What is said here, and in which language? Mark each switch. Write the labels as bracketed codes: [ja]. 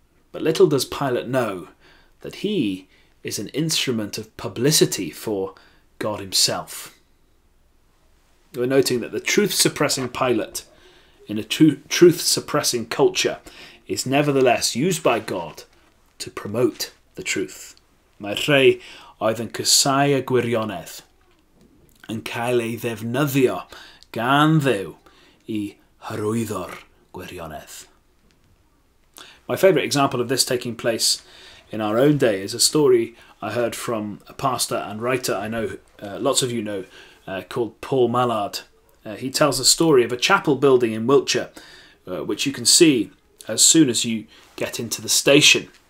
[en] But little does Pilate know that he is an instrument of publicity for God himself. We're noting that the truth-suppressing Pilate in a truth-suppressing culture is nevertheless used by God to promote the truth. [cy] Mae rhai oedd yn casáu y gwirionedd yn cael ei ddefnyddio gan Dduw I hyrwyddo'r gwirionedd. [en] My favourite example of this taking place in our own day is a story I heard from a pastor and writer I know lots of you know called Paul Mallard. He tells a story of a chapel building in Wiltshire which you can see as soon as you get into the station.